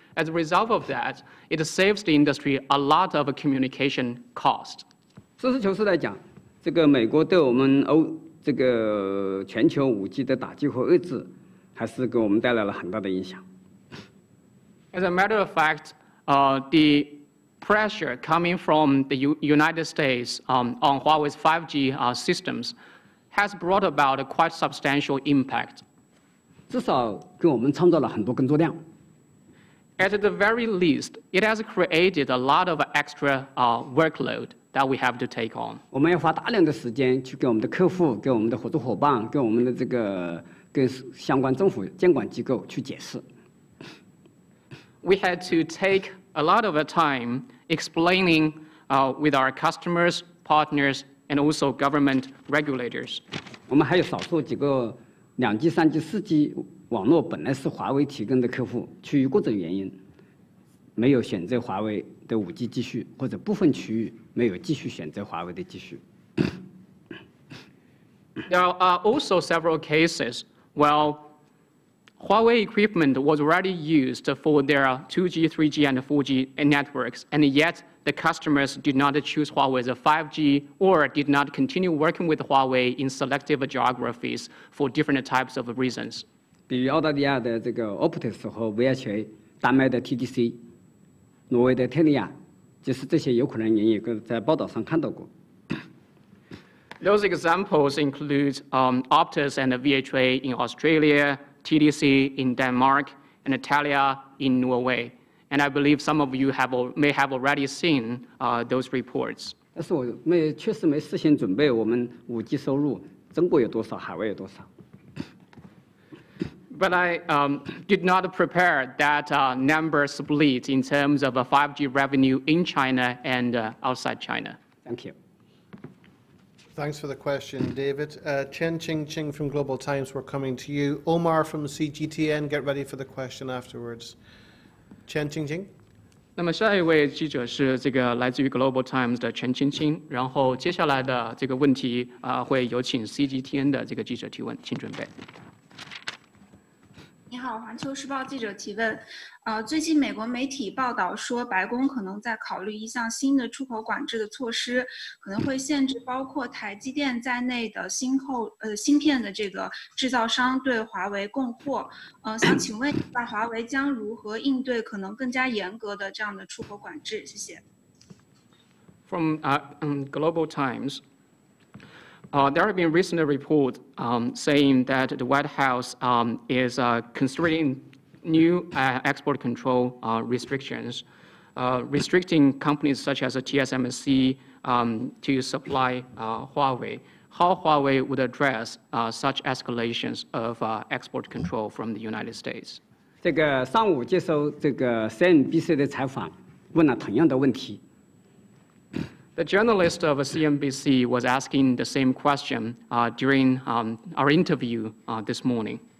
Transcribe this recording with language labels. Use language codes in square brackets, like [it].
[en] As a result of that, it saves the industry a lot of communication cost. [zh] 实事求是来讲，这个美国对我们这个全球 5G 的打击和遏制。还是给我们带来了很大的影响。 [en] As a matter of fact, the pressure coming from the United States on Huawei's 5G systems has brought about a quite substantial impact. [zh] 至少给我们创造了很多工作量。 [en] At the very least, it has created a lot of extra workload that we have to take on. [zh] 我们要花大量的时间去给我们的客户、给我们的合作伙伴、给我们的这个。跟相关政府监管机构去解释。 [en] We had to take a lot of time explaining with our customers, partners, and also government regulators. [zh] 我们还有少数几个两 G、三 G、四 G 网络本来是华为提供的客户，出于各种原因，没有选择华为的五 G 技术，或者部分区域没有继续选择华为的技术。 [en] There are also several cases. Well, Huawei equipment was already used for their 2G, 3G, and 4G networks, and yet the customers did not choose Huawei's 5G or did not continue working with Huawei in selective geographies for different types of reasons. [zh] 比如澳大利亚的这个 Optus 和 VHA, 丹麦的 TDC, 挪威的 Telia, 就是这些有可能也在报道上看到过。 [en] Those examples include Optus and VHA in Australia, TDC in Denmark, and Telia in Norway. And I believe some of you may have already seen those reports. [zh] 但是我没确实没事先准备我们五 G 收入，中国有多少，海外有多少。 [en] But I did not prepare that number split in terms of a 5G revenue in China and outside China. Thank you. Thanks for the question, David. Chen Qingqing from Global Times, we're coming to you. Omar from CGTN, get ready for the question afterwards. Chen Qingqing. [zh] 那么下一位记者是这个来自于 Global Times 的 Chen Qingqing, 然后接下来的这个问题会有请 CGTN 的这个记者提问，请准备。你好，环球时报记者提问。最近美国媒体报道说，白宫可能在考虑一项新的出口管制的措施，可能会限制包括台积电在内的芯片的这个制造商对华为供货。想请问一下，华为将如何应对可能更加严格的这样的出口管制？谢谢。 [en] From Global Times. There have been recent reports saying that the White House is considering new export control restrictions, restricting companies such as TSMC to supply Huawei. How Huawei would address such escalations of export control from the United States? [zh] 这个上午接受这个 CNBC 的采访，问了同样的问题。 [en] The journalist of CNBC was asking the same question during our interview this morning.